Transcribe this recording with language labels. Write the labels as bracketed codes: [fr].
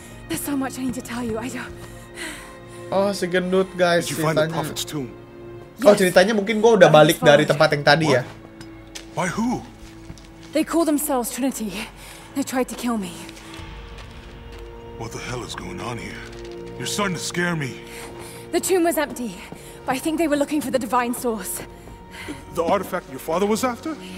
[en] There's so much I need to tell you. I don't. [id] Oh, si gendut, guys. Ceritanya. Oh, ceritanya mungkin gua udah balik dari tempat yang tadi ya. [en] By who? They call themselves Trinity. They tried to kill me. What the hell is going on here? You're starting to scare me. The tomb was empty, but I think they were looking for the divine source. The artifact your father was after?